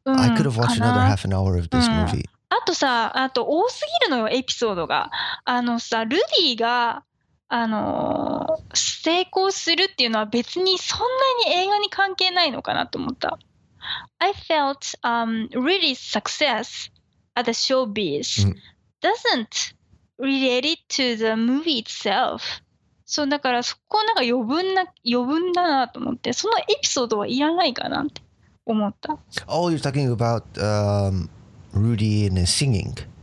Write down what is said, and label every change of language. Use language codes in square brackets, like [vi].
[en] I could have watched another half an hour of this movie. [ja] あとさ、あと多すぎるのよエピソードが。あのさ、ルディが成功するっていうのは別にそんなに映画に関係ないのかなと思った。 [en] I felt Rudy's success at the showbiz doesn't relate it to the movie itself. [ja] そうだからそこなんか余分だなと思ってそのエピソードはいらないかなって思った。 [en] Oh, you're talking about Rudy and his singing.